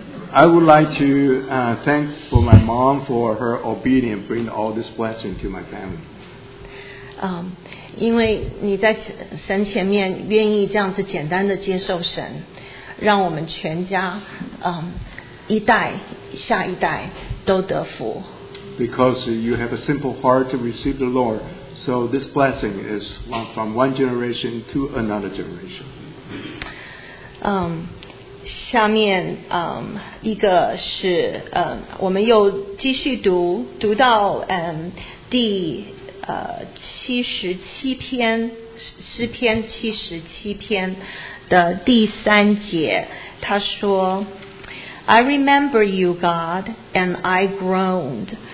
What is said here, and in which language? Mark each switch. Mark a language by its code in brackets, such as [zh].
[en] I would like to thank for my mom for her obedience, bring all this blessing to my family. [zh] 因为你在神前面愿意这样子简单的接受神，让我们全家一代下一代都得福。 [en] Because you have a simple heart to receive the Lord, so this blessing is from one generation to another generation. [zh] 下面一个是我们又继续读到第七十七篇诗篇七十七篇的第三节，他说 ， [en] I remember you, God, and I groaned.